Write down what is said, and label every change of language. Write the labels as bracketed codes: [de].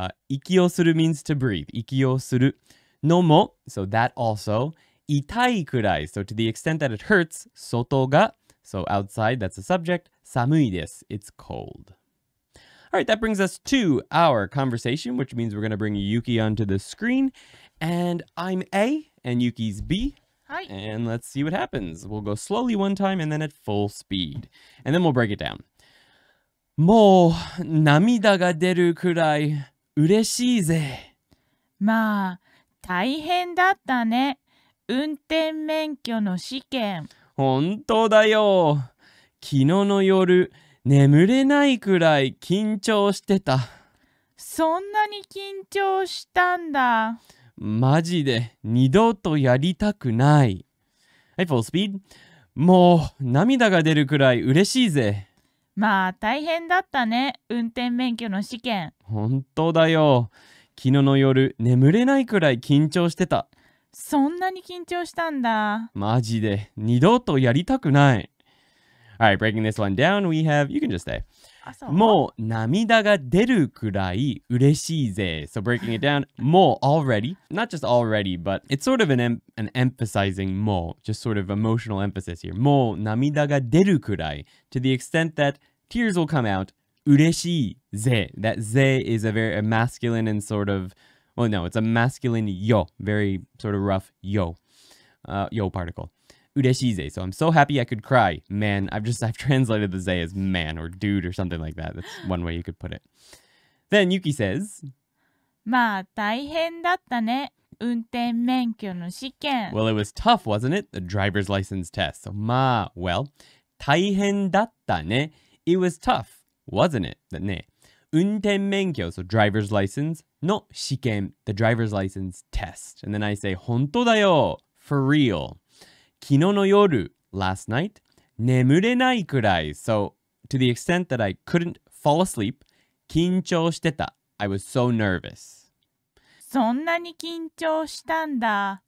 [en] 息をする means to breathe. [ja] 息をするのも, [en] so that also, [ja] 痛いくらい, [en] so to the extent that it hurts, 外が, so outside, that's the subject, [ja] 寒いです, [en] it's cold. All right, that brings us to our conversation, which means we're going to bring Yuki onto the screen. And I'm A, and Yuki's B. Hi. And let's see what happens. We'll go slowly one time and then at full speed. And then we'll break it down. [ja] もう涙が出るくらい嬉しいぜ。まあ大変だったね。運転免許の試験。本当だよ。昨日の夜眠れないくらい緊張してた。そんなに緊張したんだ。マジで二度とやりたくない。はい、フォースピード。もう涙が出るくらい嬉しいぜ。まあ大変だったね、運転免許の試験。本当だよ。昨日の夜眠れないくらい緊張してた。そんなに緊張したんだ。マジで二度とやりたくない。 [en] Alright, breaking this one down, we have, you can just say、 [ja] もう涙が出るくらい嬉しいぜ。 [en] So breaking it down, more already, not just already, but it's sort of an emphasizing more, just sort of emotional emphasis here. [ja] もう涙が出るくらい、 [en] to the extent that tears will come out, [ja] 嬉しいぜ。 [en] That ぜ is a very masculine and sort of, well, no, it's a masculine yo, very sort of rough yo, yo particle. [ja] 嬉しいぜ。 [en] So I'm so happy I could cry. Man, I've translated the ぜ as man or dude or something like that. That's one way you could put it. Then Yuki says, [ja] まあ大変だったね、運転免許の試験。 [en] Well, it was tough, wasn't it? The driver's license test. So まあ、well, [ja] 大変だったね。 [en] It was tough, wasn't it? The ね。 [ja] 運転免許、 [en] so driver's license, の試験、the driver's license test. And then I say, [ja] 本当だよ、 [en] for real. [ja] 昨日の夜、 [en] last night, [ja] 眠れないくらい。 [en] So, to the extent that I couldn't fall asleep, [ja] 緊張してた。 [en] I was so nervous. [ja] そんなに緊張したんだ。